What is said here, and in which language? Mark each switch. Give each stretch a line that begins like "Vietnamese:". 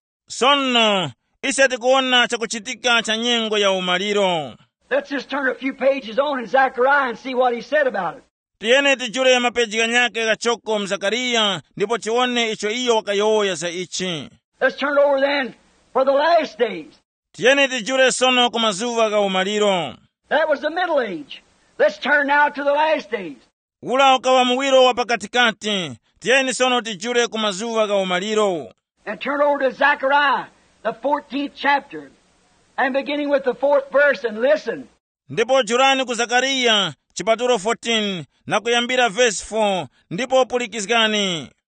Tumbuka: Sono, isa tikuona chakuchitika chanyengo ya umariro.
English: Let's just turn a few pages on in Zechariah and see what he said about it.
Tumbuka: Tiene tijure mapeji ganyake ga choko mzakaria, nipo chione icho iyo wakayoya za ichi.
English: Let's turn over then for the last days.
Tumbuka: Tiene tijure sono kumazuwa ga umariro.
English: That was the middle age. Let's turn now to the last days.
Tumbuka: Ula ukawa muwiro wapakatikati, tiene sono tijure kumazuwa ga umariro.
English: And turn over to Zechariah, the 14th chapter, and beginning with the 4th verse and listen.
Tumbuka: Ndipo jurani ku Zakaria, chipaturo 14, na kuyambira verse 4, ndipo pulikizgani.